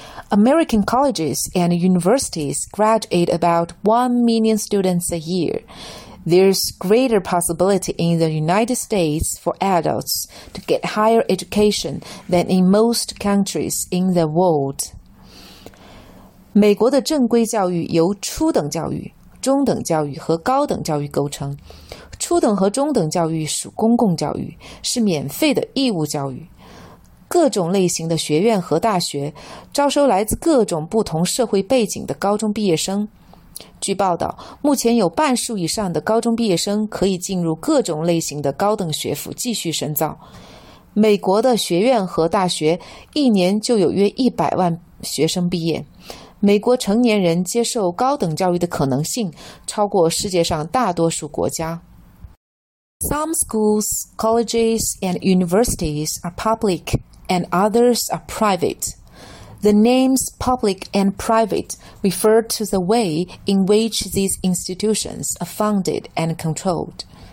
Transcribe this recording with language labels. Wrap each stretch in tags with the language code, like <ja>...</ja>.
<en>American colleges and universities graduate about 1 million students a year. There's greater possibility in the United States for adults to get higher education than in most countries in the world.</en> <zh>美国的正规教育由初等教育、中等教育和高等教育构成。初等和中等教育属公共教育，是免费的义务教育。各种类型的学院和大学招收来自各种不同社会背景的高中毕业生。据报道，目前有半数以上的高中毕业生可以进入各种类型的高等学府继续深造。美国的学院和大学一年就有约100万学生毕业。美国成年人接受高等教育的可能性超过世界上大多数国家。</zh> <en>Some schools, colleges, and universities are public, and others are private. The names public and private refer to the way in which these institutions are funded and controlled.</en>